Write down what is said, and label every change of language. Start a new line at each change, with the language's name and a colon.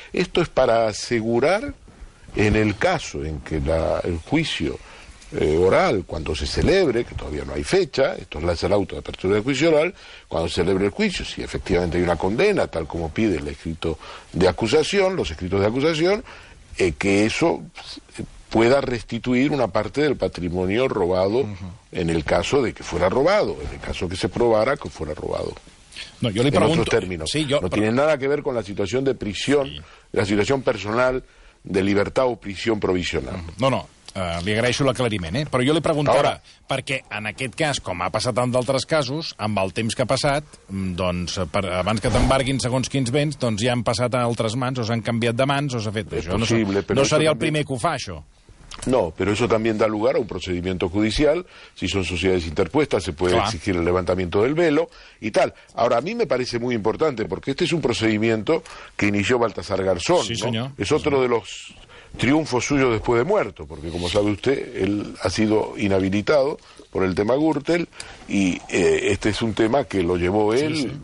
Spanish: Esto es para asegurar, en el caso en que el juicio oral, cuando se celebre, que todavía no hay fecha, esto es el auto de apertura del juicio oral, cuando se celebre el juicio, si efectivamente hay una condena, tal como pide el escrito de acusación, los escritos de acusación, que eso pueda restituir una parte del patrimonio robado en el caso de que fuera robado, en el caso que se probara que fuera robado. No, yo le pregunto. En otros términos. Sí, no tiene nada que ver con la situación de prisión, sí. La situación personal de libertad o prisión provisional.
Catalan: No. Li agraeixo l'aclariment, eh? Però jo li pregunto ara, perquè en aquest cas, com ha passat en d'altres casos, amb el temps que ha passat, doncs, abans que t'embarguin segons quins béns, doncs ja han passat a altres mans, o s'han canviat de mans, o s'ha fet això. Possible, no seria el primer que ho fa, això.
Spanish: No, pero eso también da lugar a un procedimiento judicial. Si son sociedades interpuestas, se puede exigir el levantamiento del velo y tal. Ahora, a mí me parece muy importante, porque este es un procedimiento que inició Baltasar Garzón. Sí, señor. ¿No? Es otro de los triunfo suyo después de muerto, porque como sabe usted, él ha sido inhabilitado por el tema Gürtel, y este es un tema que lo llevó él, sí.